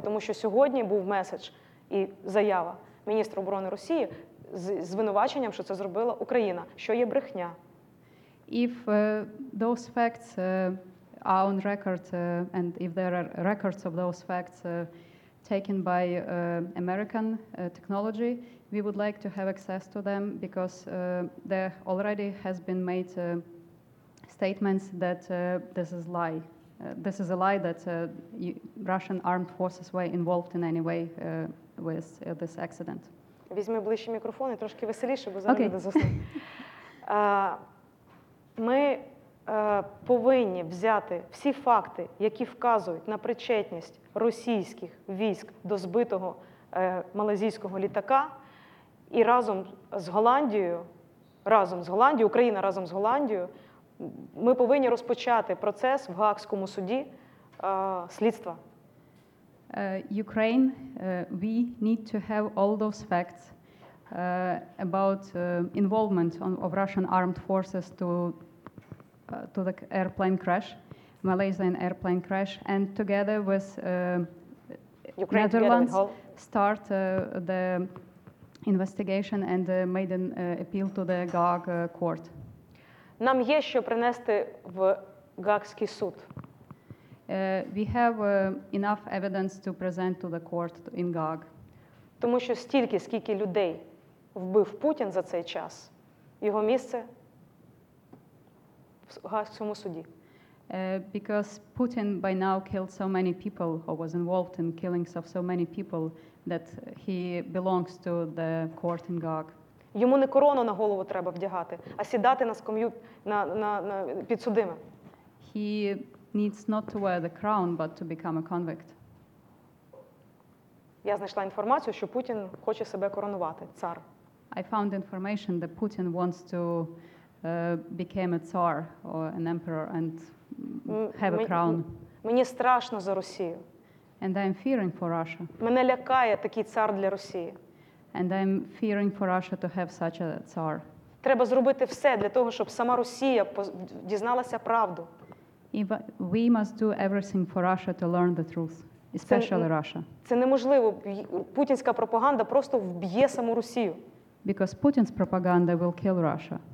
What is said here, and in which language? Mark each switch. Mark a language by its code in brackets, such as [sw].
[uk] Тому що сьогодні був меседж і заява міністра оборони Росії з звинуваченням, що це зробила Україна, що є брехня. [en] If those facts are on record, and if there are records of those facts taken by American technology, we would like to have access to them, because there already has been made statements that this is a lie. This is a lie that Russian armed forces were involved in any way with this accident. [uk] Візьми ближче мікрофон і трошки веселіше, бо зараз буде заснути. Ми повинні взяти всі факти, які вказують на причетність російських військ до збитого малайзійського літака, і Україна разом з Голландією, ми повинні розпочати процес в Гаазькому суді слідства. [en] Ukraine, we need to have all those facts about involvement of Russian armed forces to the airplane crash, Malaysian airplane crash, and together with Ukraine, Netherlands start the investigation and made an appeal to the Gaag court. [uk] Нам є що принести в Гаазький суд. [en] We have enough evidence to present to the court in Gaag. [uk] Тому що стільки, скільки людей вбив Путін за цей час, його місце в Гаазькому суді. [en] Because Putin by now killed so many people or was involved in killings of so many people that he belongs to the court in Gaag. [uk] Йому не корону на голову треба вдягати, а сідати на скам'ю на підсудимим. [en] He needs not to wear the crown, but to become a convict. [uk] Я знайшла інформацію, що Путін хоче себе коронувати, цар. [en] I found information that Putin wants to become a tsar or an emperor and have a crown. [uk] Мені страшно за Росію. [en] And I'm fearing for Russia. [uk] Мене лякає такий цар для Росії. [en] And I'm fearing for Russia to have such a tsar. [uk] Треба зробити все для того, щоб сама Росія дізналася правду. [en] We must do everything for Russia to learn the truth, especially Russia. [uk] Це неможливо. Путінська пропаганда просто вб'є саму Росію. [en] Because Putin's propaganda will kill Russia.